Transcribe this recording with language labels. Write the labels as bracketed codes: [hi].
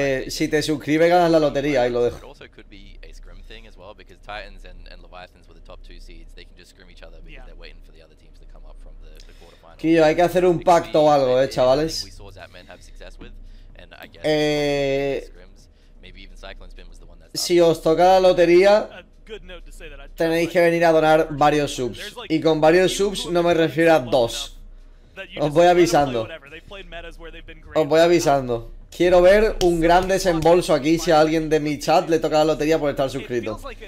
[es] Si te suscribes ganas la lotería y lo dejo. [en] Also could be a scrim thing as well because Titans and Leviathans were the top two seeds. They can just scrim each other because they're waiting for the other teams to come up from the quarterfinals. [es] Quillo, hay que hacer un pacto o algo, chavales. [en] We saw Zatman have success with, and I guess scrims. Maybe even Cyclone Spin was the one that. [es] Si os toca la lotería, tenéis que venir a donar varios subs. Y con varios subs no me refiero a dos. Os voy avisando. Quiero ver un gran desembolso aquí si a alguien de mi chat le toca la lotería por estar suscrito.